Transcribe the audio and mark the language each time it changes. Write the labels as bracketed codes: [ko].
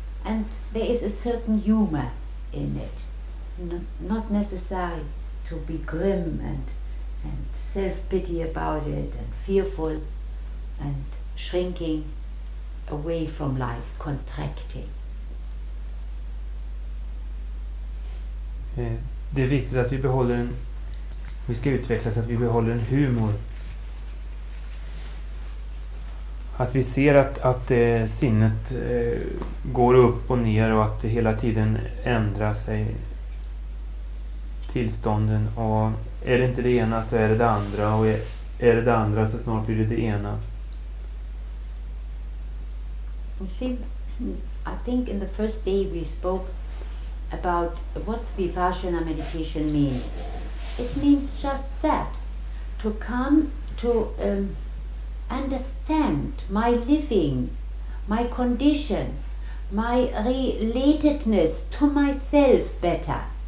[en] And there is a certain humor in it, not necessary to be grim and self-pity about it and fearful and shrinking away from life, contracting. [sv] Det är viktigt att vi behåller en, vi ska utvecklas att vi behåller en humor. Att vi ser att sinnet går upp och ner och att det hela tiden ändrar sig tillstånden. Och är det inte det ena så är det det andra. Och är det andra så snart blir det det ena. [en] You see, I think in the first day we spoke about what Vipassana meditation means. It means just that. To come to understand my living, my condition, my relatedness to myself better.